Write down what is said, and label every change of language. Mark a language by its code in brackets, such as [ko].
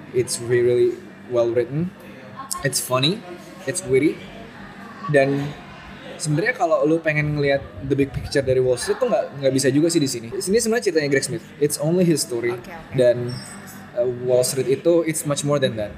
[en] It's really well written, it's funny, it's witty. [id] Dan sebenarnya kalau lo pengen ngelihat the big picture dari Wall Street tuh nggak bisa juga sih di sini. Ini sebenarnya ceritanya Greg Smith. [en] It's only his story. Okay, okay. [id] Dan Wall Street itu [en] it's much more than that.